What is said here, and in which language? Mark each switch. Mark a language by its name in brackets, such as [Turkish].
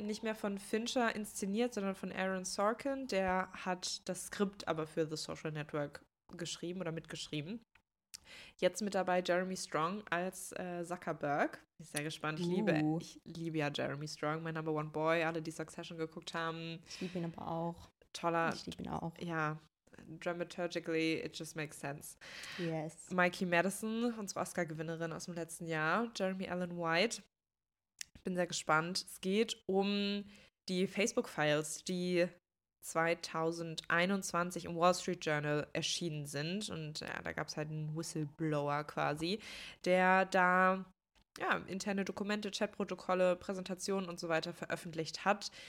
[German] Nicht mehr von Fincher inszeniert, sondern von Aaron Sorkin. Der hat das Skript aber für The Social Network geschrieben oder mitgeschrieben. Jetzt mit dabei Jeremy Strong als Zuckerberg. Bin sehr gespannt. Ich liebe ja Jeremy Strong, mein [English] Number One Boy, [German] alle, die Succession geguckt haben. Ich liebe ihn aber auch. Toller. Ich liebe ihn auch. [English] Ja, dramaturgically, it just makes sense. Yes. [German] Mikey Madison, unsere Oscar-Gewinnerin aus dem letzten Jahr. Jeremy Allen White. Bin sehr gespannt. Es geht um die Facebook-Files, die 2021 im Wall Street Journal erschienen sind. Und ja, da gab es halt einen Whistleblower quasi, der da ja, interne Dokumente, Chatprotokolle, Präsentationen und so weiter veröffentlicht hat.